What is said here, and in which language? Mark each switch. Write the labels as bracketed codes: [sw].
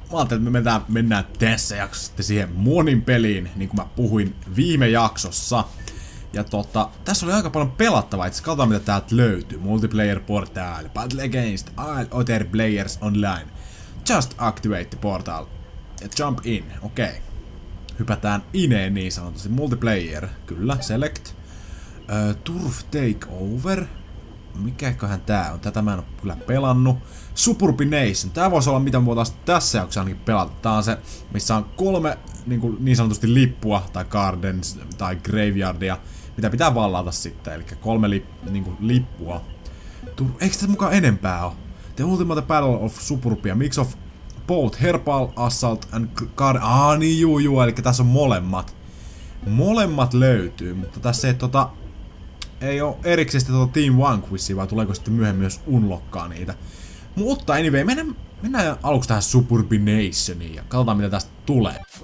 [fi] Mä ajattelin, että me mennään tässä jaksossa sitten siihen monin peliin, niin kuin mä puhuin viime jaksossa. Ja tässä oli aika paljon pelattavaa, että katsotaan mitä täältä löytyy. [en] Multiplayer portal, battle against all other players online. Just activate the portal [fi] ja [en] jump in, okei. Okay. [fi] Hypätään ineen niin sanotusti. Multiplayer, kyllä, select. Turf takeover. Mikäköhän tää on? Tätä mä en oo kyllä pelannut. Suburbination. Tää voisi olla mitä me voitaisiin tässä jaksossa ainakin pelata. Tää on se, missä on kolme niin sanotusti lippua, tai gardens, tai graveyardia, mitä pitää vallata sitten. Eli kolme lippua. Eikö tässä mukaan enempää oo? [en] The ultimate battle of suburbia, mix of both herbal assault and card. [fi] Niin juu, eli tässä on molemmat. Molemmat löytyy, mutta tässä ei oo erikseen sitä Team Vanquishia, vaan tuleeko sitten myöhemmin myös unlockkaa niitä. Mutta anyway, mennään aluksi tähän Suburbinationiin ja katsotaan mitä tästä tulee.